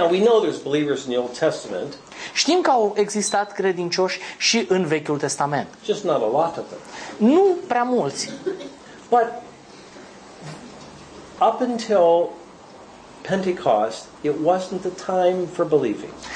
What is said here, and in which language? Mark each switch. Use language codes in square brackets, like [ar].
[en] Now we know there's believers in the Old Testament. [ro] Știm că au existat credincioși și în Vechiul Testament. [en] Just not a lot of them. [ro] Nu prea mulți. [en] But up until Pentecost, it wasn't the time for believing.